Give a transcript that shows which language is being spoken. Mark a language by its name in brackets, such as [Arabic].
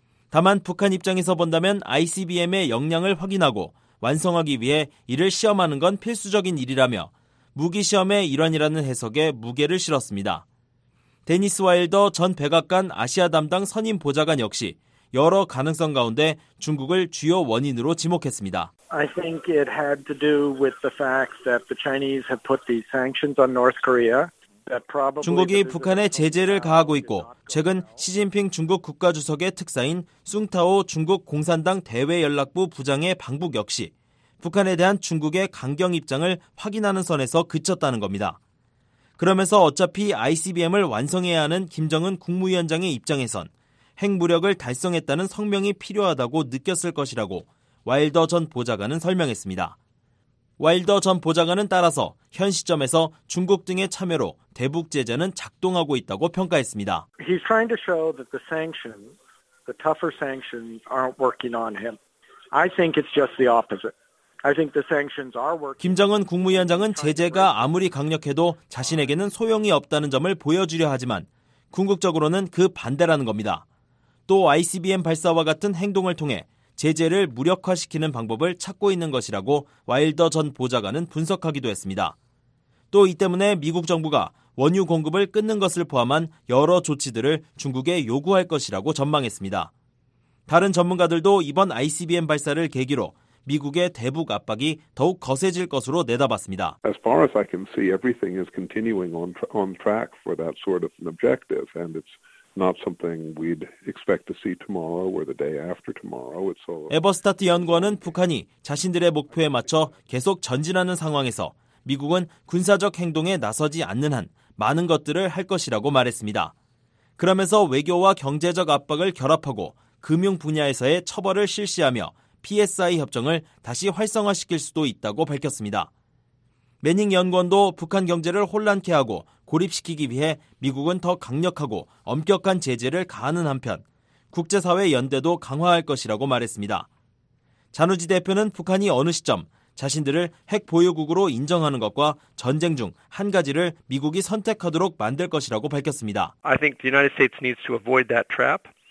[Korean] 다만 북한 입장에서 본다면 ICBM의 역량을 확인하고 완성하기 위해 이를 시험하는 건 필수적인 일이라며 무기시험의 일환이라는 해석에 무게를 실었습니다. 데니스 와일더 전 백악관 아시아 담당 선임 보좌관 역시 여러 가능성 가운데 중국을 주요 원인으로 지목했습니다. [English] I think it had to do with the fact that the Chinese have put these sanctions on North Korea. [Korean] 중국이 북한에 제재를 가하고 있고 최근 시진핑 중국 국가주석의 특사인 숭타오 중국 공산당 대외연락부 부장의 방북 역시 북한에 대한 중국의 강경 입장을 확인하는 선에서 그쳤다는 겁니다. 그러면서 어차피 ICBM을 완성해야 하는 김정은 국무위원장의 입장에선 핵무력을 달성했다는 성명이 필요하다고 느꼈을 것이라고 와일더 전 보좌관은 설명했습니다. 와일더 전 보좌관은 따라서 현 시점에서 중국 등의 참여로 대북 제재는 작동하고 있다고 평가했습니다. [English] He's trying to show that the sanctions, the tougher sanctions aren't working on him. I think it's just the opposite. I think the sanctions are working. [Korean] 김정은 국무위원장은 제재가 아무리 강력해도 자신에게는 소용이 없다는 점을 보여주려 하지만 궁극적으로는 그 반대라는 겁니다. 또 ICBM 발사와 같은 행동을 통해 제재를 무력화시키는 방법을 찾고 있는 것이라고 와일더 전 보좌관은 분석하기도 했습니다. 또 이 때문에 미국 정부가 원유 공급을 끊는 것을 포함한 여러 조치들을 중국에 요구할 것이라고 전망했습니다. 다른 전문가들도 이번 ICBM 발사를 계기로 미국의 대북 압박이 더욱 거세질 것으로 내다봤습니다. [English] As far as I can see, everything is continuing on track for that sort of an objective, and it's not something we'd expect to see tomorrow or the day after tomorrow. It's all. [Korean] 에버스타트 연구원은 북한이 자신들의 목표에 맞춰 계속 전진하는 상황에서 미국은 군사적 행동에 나서지 않는 한 많은 것들을 할 것이라고 말했습니다. 그러면서 외교와 경제적 압박을 결합하고 금융 분야에서의 처벌을 실시하며 PSI 협정을 다시 활성화시킬 수도 있다고 밝혔습니다. 매닝 연구원도 북한 경제를 혼란케 하고 고립시키기 위해 미국은 더 강력하고 엄격한 제재를 가하는 한편 국제사회 연대도 강화할 것이라고 말했습니다. 잔우지 대표는 북한이 어느 시점 자신들을 핵 보유국으로 인정하는 것과 전쟁 중 한 가지를 미국이 선택하도록 만들 것이라고 밝혔습니다. [English] I think the United States needs to avoid that trap.